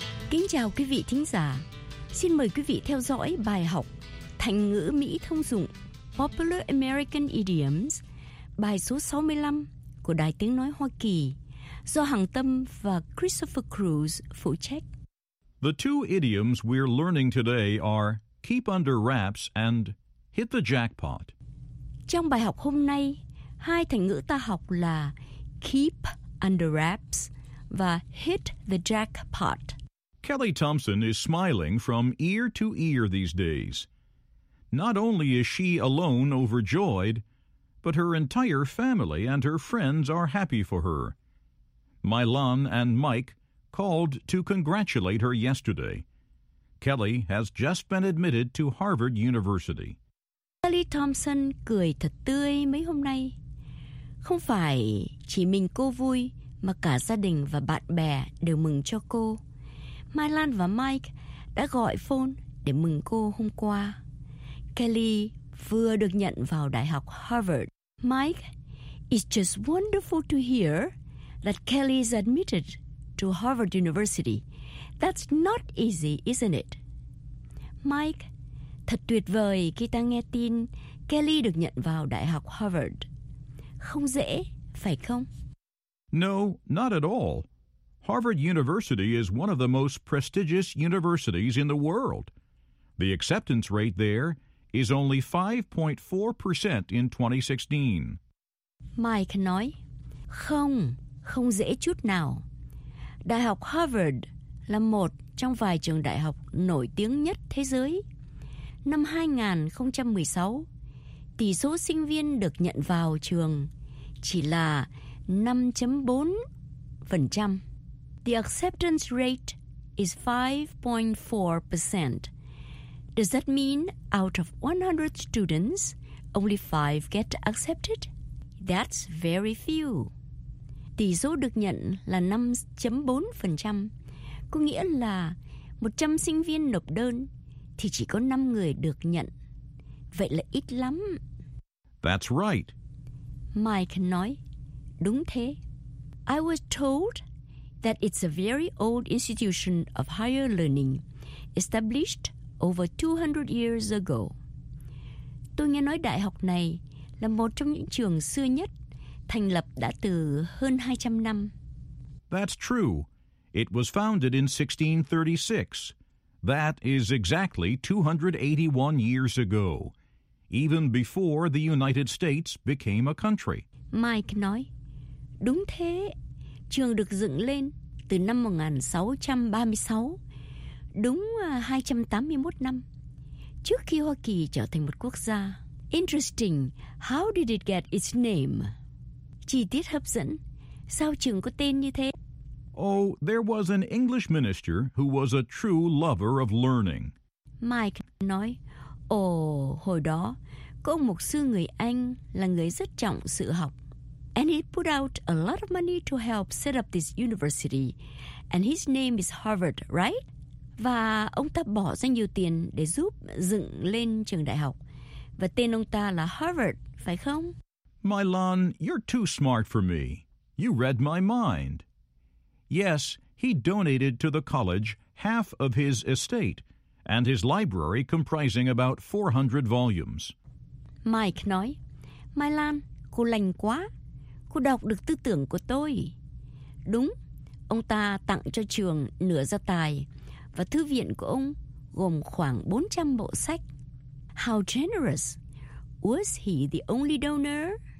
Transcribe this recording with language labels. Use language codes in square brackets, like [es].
[vi] Kính chào quý vị thính giả. Xin mời quý vị theo dõi bài học Thành ngữ Mỹ thông dụng [en] Popular American Idioms, [vi] bài số 65 của Đài Tiếng Nói Hoa Kỳ, do Hằng Tâm và Christopher Cruz phụ trách. [en] The two idioms we're learning today are keep under wraps and hit the jackpot. [vi] Trong bài học hôm nay, hai thành ngữ ta học là [en] keep under wraps [vi] và [en] hit the jackpot. Kelly Thompson is smiling from ear to ear these days. Not only is she alone overjoyed, but her entire family and her friends are happy for her. Mylon and Mike called to congratulate her yesterday. Kelly has just been admitted to Harvard University. [vi] Kelly Thompson cười thật tươi mấy hôm nay. Không phải chỉ mình cô vui, mà cả gia đình và bạn bè đều mừng cho cô. Mylon và Mike đã gọi phone để mừng cô hôm qua. Kelly vừa được nhận vào Đại học Harvard. [en] Mike, it's just wonderful to hear that Kelly is admitted to Harvard University. That's not easy, isn't it? [vi] Mike, thật tuyệt vời khi ta nghe tin Kelly được nhận vào Đại học Harvard. Không dễ, phải không? [en] No, not at all. Harvard University is one of the most prestigious universities in the world. The acceptance rate there is only 5.4% in 2016. [vi] Mike nói, không, không dễ chút nào. Đại học Harvard là một trong vài trường đại học nổi tiếng nhất thế giới. Năm 2016, tỷ số sinh viên được nhận vào trường chỉ là 5.4%. [en] The acceptance rate is 5.4%. Does that mean out of 100 students, only 5 get accepted? That's very few. [vi] Tỷ số được nhận là 5.4%, có nghĩa là 100 sinh viên nộp đơn thì chỉ có 5 người được nhận. Vậy là ít lắm. [en] That's right. [vi] Mike nói, đúng thế. [en] I was told that it's a very old institution of higher learning, established over 200 years ago. [vi] Tôi nghe nói đại học này là một trong những trường xưa nhất, thành lập đã từ hơn 200 năm. [en] That's true. It was founded in 1636. That is exactly 281 years ago, even before the United States became a country. [vi] Mike nói, đúng thế. Trường được dựng lên từ năm 1636, đúng 281 năm, trước khi Hoa Kỳ trở thành một quốc gia. [en] Interesting, how did it get its name? [vi] Chi tiết hấp dẫn, sao trường có tên như thế? [en] Oh, there was an English minister who was a true lover of learning. [vi] Mike nói, hồi đó, có ông mục sư người Anh là người rất trọng sự học. [en] And he put out a lot of money to help set up this university. And his name is Harvard, right? [vi] Và ông ta bỏ ra nhiều tiền để giúp dựng lên trường đại học. Và tên ông ta là Harvard, phải không? [en] Milan, you're too smart for me. You read my mind. Yes, he donated to the college half of his estate and his library comprising about 400 volumes. [vi] Mike nói, Milan, cô lành quá. Cô đọc được tư tưởng của tôi. Đúng, ông ta tặng cho trường nửa gia tài và thư viện của ông gồm khoảng 400 bộ sách. [en] How generous! Was he the only donor?